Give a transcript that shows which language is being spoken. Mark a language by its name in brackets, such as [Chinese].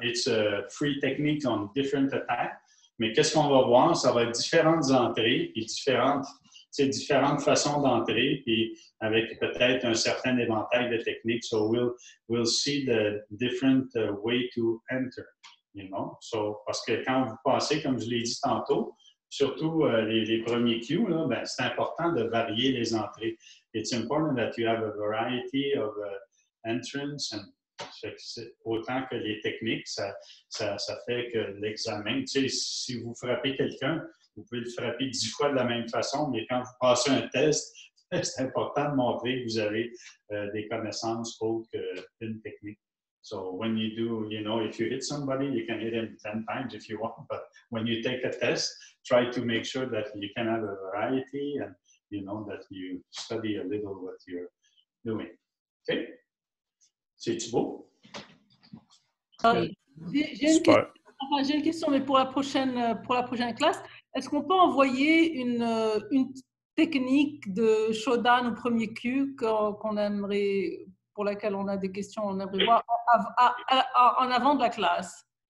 [English] It's a free technique on different attacks. [French] Mais qu'est-ce qu'on va voir? Ça va être différentes entrées et différentes façons d'entrer, puis avec peut-être un certain éventail de techniques. [English] So we'll see the different way to enter, you know. [French] So parce que quand vous passez, comme je l'ai dit tantôt, surtout les premiers cues là, ben c'est important de varier les entrées. [English] It's important that you have a variety of entrance, and [French] autant que les techniques, ça fait que l'examen. Tu sais, si vous frappez quelqu'un, vous pouvez le frapper 10 fois de la même façon, mais quand vous passez un test, c'est important de montrer que vous avez des connaissances autres qu'une technique. [English] So when you do, you know, if you hit somebody, you can hit him 10 times if you want, but when you take a test, try to make sure that you can have a variety and, you know, that you study a little what you're doing. [French] OK? C'est-tu beau? J'ai une question, mais pour la prochaine classe, est-ce qu'on peut envoyer une technique de Shodan au premier Q qu'on aimerait, pour laquelle on a des questions, on aimerait voir en avant de la classe?